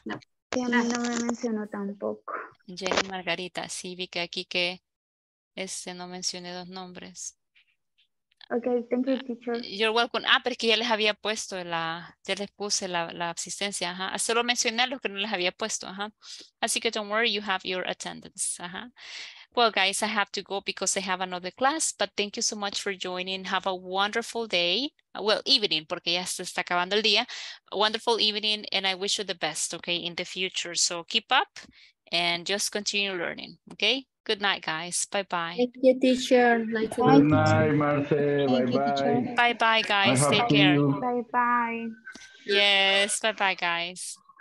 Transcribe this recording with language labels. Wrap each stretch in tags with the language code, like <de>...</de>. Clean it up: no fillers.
<es>No, Jenny no me mencionó tampoco. Jenny Margarita, sí, vi que aquí que no mencioné dos nombres.</es> <en>Ok, thank you, teacher. You're welcome.</en> <es>Ah, pero es que ya les había puesto la, ya les puse la, la asistencia, ajá. Solo mencioné a los que no les había puesto, ajá. Así que</es> <en>don't worry, you have your attendance, ajá. Well, guys, I have to go because I have another class, but thank you so much for joining. Have a wonderful day. Well, evening,</en> <es>porque ya se está acabando el día.</es> <en>A wonderful evening, and I wish you the best, okay, in the future. So keep up and just continue learning, okay? Good night, guys. Bye-bye. Thank you, teacher. Good night, Marcel. Bye-bye. Bye-bye, guys. Take care. Bye-bye. Yes, bye-bye, guys.</en>